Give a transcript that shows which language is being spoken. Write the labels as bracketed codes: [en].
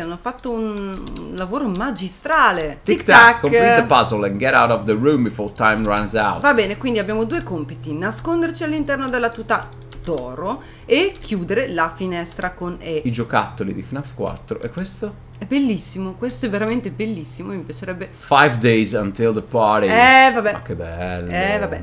[it] Hanno fatto un lavoro magistrale. Tic tac. [en] Complete the puzzle and get out of the room before time runs out. [it] Va bene, quindi abbiamo due compiti: nasconderci all'interno della tuta d'oro e chiudere la finestra con E. I giocattoli di FNAF 4. E questo? È bellissimo, questo è veramente bellissimo, mi piacerebbe. [en] 5 days until the party. [it] Vabbè. Ma che bello. Vabbè.